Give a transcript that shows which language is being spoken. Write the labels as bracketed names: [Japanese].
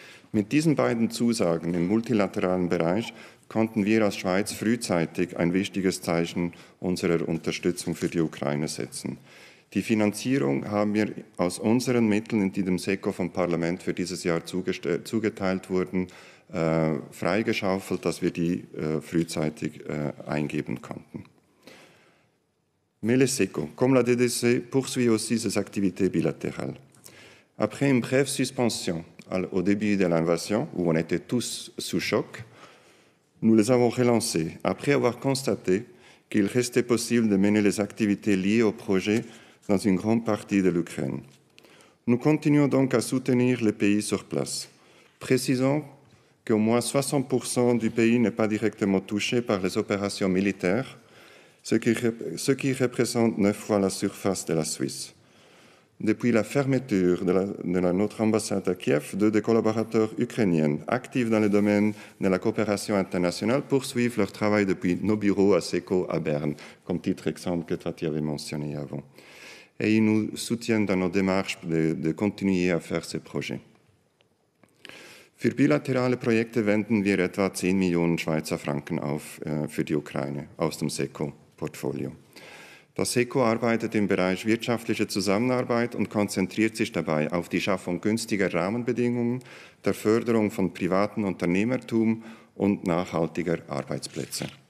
[German] Mit diesen beiden Zusagen im multilateralen Bereich konnten wir als Schweiz frühzeitig ein wichtiges Zeichen unserer Unterstützung für die Ukraine setzen. Die Finanzierung haben wir aus unseren Mitteln, die dem SECO vom Parlament für dieses Jahr zugeteilt wurden, freigeschaufelt, dass wir die frühzeitig eingeben konnten. [French] Mais SECO, comme la DDC, poursuit aussi ses activités bilatérales. Après une brève suspension au début de l'invasion, où on était tous sous choc, nous les avons relancés, après avoir constaté qu'il restait possible de mener les activités liées au projet dans une grande partie de l'Ukraine. Nous continuons donc à soutenir les pays sur place. Précisons qu'au moins 60% du pays n'est pas directement touché par les opérations militaires, ce qui représente 9 fois la surface de la Suisse. Depuis la fermeture de notre ambassade à Kiev, deux des collaborateurs ukrainiens actifs dans le domaine de la coopération internationale poursuivent leur travail depuis nos bureaux à SECO à Berne, comme titre exemple que Tati avait mentionné avant. Et ils nous soutiennent dans nos démarches de continuer à faire ces projets. [German] Für bilaterale Projekte wenden wir etwa 10 Millionen Schweizer Franken auf für die Ukraine aus dem SECO-Portfolio. Das SECO arbeitet im Bereich wirtschaftliche Zusammenarbeit und konzentriert sich dabei auf die Schaffung günstiger Rahmenbedingungen, der Förderung von privatem Unternehmertum und nachhaltiger Arbeitsplätze.